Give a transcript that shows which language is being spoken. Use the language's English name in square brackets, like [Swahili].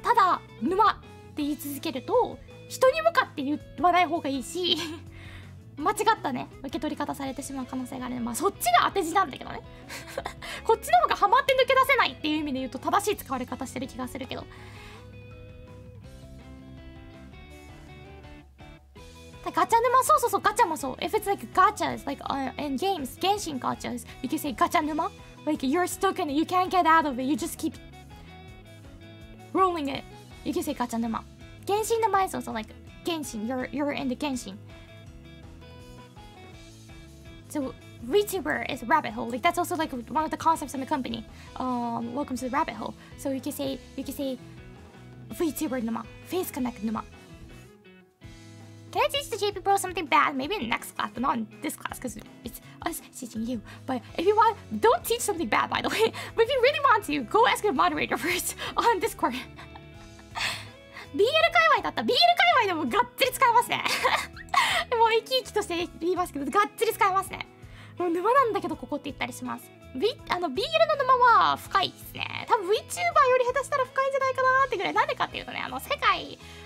[Japanese] ただ沼って言い続けると人に向かって言わない方がいいし間違ったね受け取り方されてしまう可能性があるので、まあそっちが当て字なんだけどねこっちの方がハマって抜け出せないっていう意味で言うと正しい使われ方してる気がするけど、ガチャ沼、そうガチャもそう。 [English] If it's like gachas, like in games, 原神 gachas, you can say ガチャ沼。 Like you're stuck in it, you can't get out of it, you just keep rolling it, you can say ガチャ沼。原神沼 is also like 原神, you're in the 原神。 So VTuber is rabbit hole. Like, that's also like one of the concepts in the company. Welcome to the rabbit hole. So you can say VTuber Numa, Face Connect Numa. Can I teach the JP bro something bad? Maybe in the next class, but not in this class, because it's us teaching you. But if you want, don't teach something bad, by the way. But if you really want to, go ask your moderator first on Discord. [Japanese] BL 界隈だった。 BL 界隈でもがっつり使えますね。もう生き生きとして言いますけど、がっつり使えますね。もう沼なんだけど、ここって言ったりします。BL の沼は深いですね。多分 VTuber より下手したら深いんじゃないかなってぐらい。なんでかっていうとね、世界。